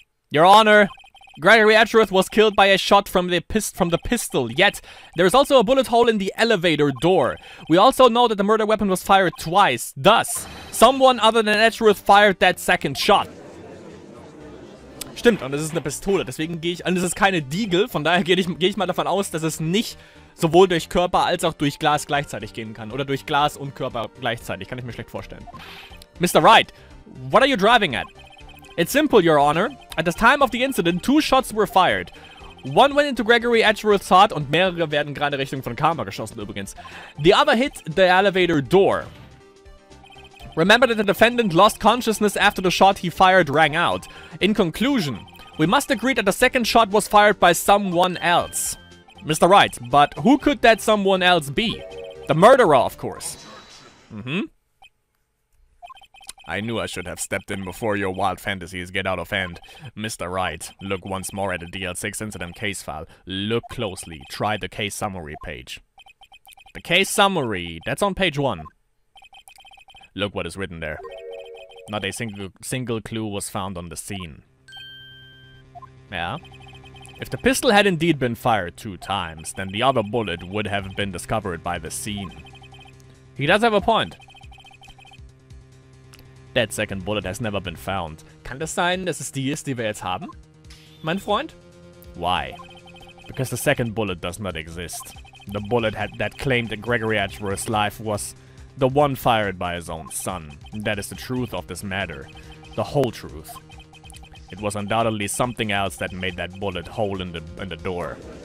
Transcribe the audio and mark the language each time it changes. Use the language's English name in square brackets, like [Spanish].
[English] Your Honor, Gregory Edgeworth was killed by a shot from the pistol, yet there is also a bullet hole in the elevator door. We also know that the murder weapon was fired twice. Thus, someone other than Edgeworth fired that second shot. [German] Stimmt, und es ist eine Pistole, deswegen gehe ich... Und es ist keine Diegel, von daher gehe ich mal davon aus, dass es nicht sowohl durch Körper als auch durch Glas gleichzeitig gehen kann. Oder durch Glas und Körper gleichzeitig, kann ich mir schlecht vorstellen. [English] Mr. Wright, what are you driving at? It's simple, Your Honor. At the time of the incident, two shots were fired. One went into Gregory Edgeworth's heart, [German] und mehrere werden gerade Richtung von Karma geschossen übrigens. [English] The other hit the elevator door. Remember that the defendant lost consciousness after the shot he fired rang out. In conclusion, we must agree that the second shot was fired by someone else. Mr. Wright, but who could that someone else be? The murderer, of course. Mm-hmm. I knew I should have stepped in before your wild fantasies get out of hand. Mr. Wright, look once more at the DL-6 incident case file. Look closely. Try the case summary page. The case summary, that's on page 1. Look what is written there. Not a single clue was found on the scene. Yeah? If the pistol had indeed been fired two times, then the other bullet would have been discovered by the scene. He does have a point. That second bullet has never been found. [German] Kann das sein, dass es die ist, die wir jetzt haben? Mein Freund? [English] Why? Because the second bullet does not exist. The bullet that claimed that Gregory Edgeworth's life was... the one fired by his own son. That is the truth of this matter. The whole truth. It was undoubtedly something else that made that bullet hole in the door.